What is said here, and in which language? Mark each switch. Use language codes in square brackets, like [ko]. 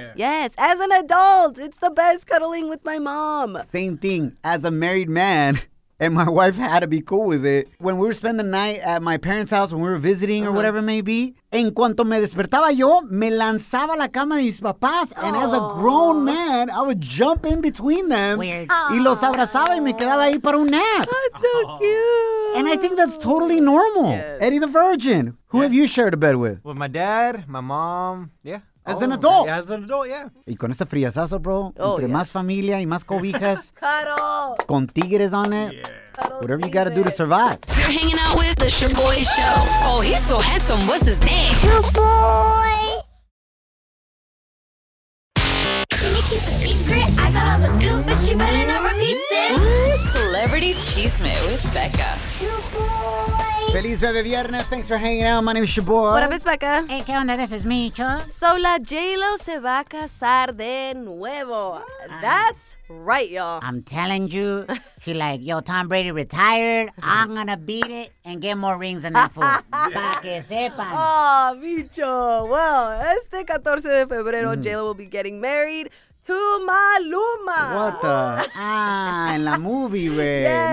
[en] Yeah. Yes, as an adult. It's the best, cuddling with my mom. Same thing. As a married man, and my wife had to be cool with it. When we were spending the night at my parents' house, when we were visiting or whatever it may be, [es] en cuanto me despertaba yo, me lanzaba a la cama de mis papás. [en] And as a grown man, I would jump in between them. Weird. [es] Y los abrazaba y me quedaba ahí para un nap. [en] That's so cute. And I think that's totally normal. Yes. Eddie the Virgin, who have you shared a bed with? With my dad, my mom, yeah. As an adult. Yeah, as an adult, yeah. [es] Y con esta fríazazo, bro, entre más familia y más cobijas. [en] Cuddle. [es] Con tigres [en] on it. Yeah. Whatever you gotta do to survive. You're hanging out with the Shoboy Show. Oh, he's so handsome. What's his name? Shoboy. Can you keep a secret? I got all the scoop, but you better not repeat this. Celebrity Cheesemate with Becca. Shoboy. [es] Feliz de viernes. [en] Thanks for hanging out. My name is Shoboy. What up, it's Becca. Hey, [es] ¿qué onda? [en] This is Micho. So, [es] la J-Lo se va a casar de nuevo. [en] That's right, y'all. I'm telling you. She like, yo, Tom Brady retired. I'm gonna beat it and get more rings than that fool. [es] Pa' que sepan. [en] Oh, Micho. Well, [es] este 14 de febrero, [en] J-Lo will be getting married to Maluma. What the? in the movie, way.